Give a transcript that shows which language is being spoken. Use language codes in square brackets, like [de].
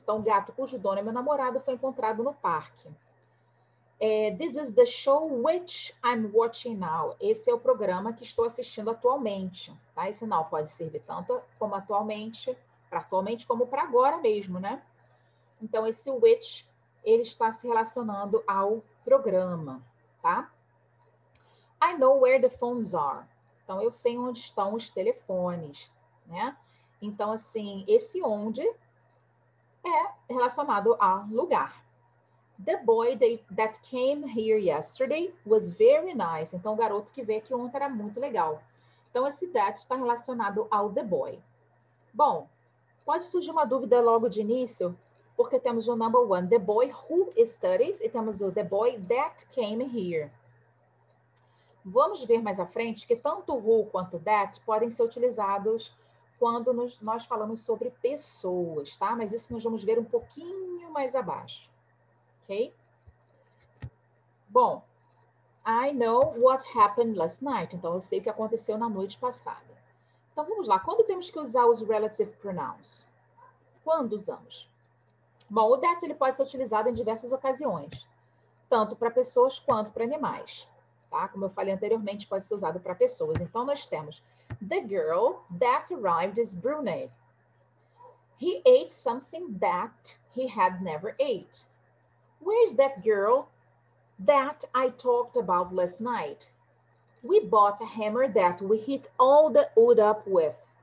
[pt] Então, o gato cujo dono é meu namorado foi encontrado no parque. [en] É, this is the show which I'm watching now. [pt] Esse é o programa que estou assistindo atualmente. Tá? Esse now pode servir tanto como atualmente, para atualmente, como para agora mesmo, né? Então, esse which, ele está se relacionando ao programa, tá? [en] I know where the phones are. [pt] Então, eu sei onde estão os telefones, né? Então, assim, esse onde é relacionado a lugar. [en] The boy that came here yesterday was very nice. [pt] Então, o garoto que veio aqui ontem era muito legal. Então, esse that está relacionado ao the boy. Bom, pode surgir uma dúvida logo de início, porque temos o number one, [en] the boy who studies, [pt] e temos o [en] the boy that came here. [pt] Vamos ver mais à frente que tanto who quanto that podem ser utilizados quando nós falamos sobre pessoas, tá? Mas isso nós vamos ver um pouquinho mais abaixo. Ok? [en] Bom, I know what happened last night. [pt] Então, eu sei o que aconteceu na noite passada. Então, vamos lá. Quando temos que usar os relative pronouns? Quando usamos? Bom, o that ele pode ser utilizado em diversas ocasiões, tanto para pessoas quanto para animais. Tá? Como eu falei anteriormente, pode ser usado para pessoas. Então, nós temos [en] the girl that arrived is brunette. He ate something that he had never ate. Where is that girl that I talked about last night? We bought a hammer that we hit all the wood up with.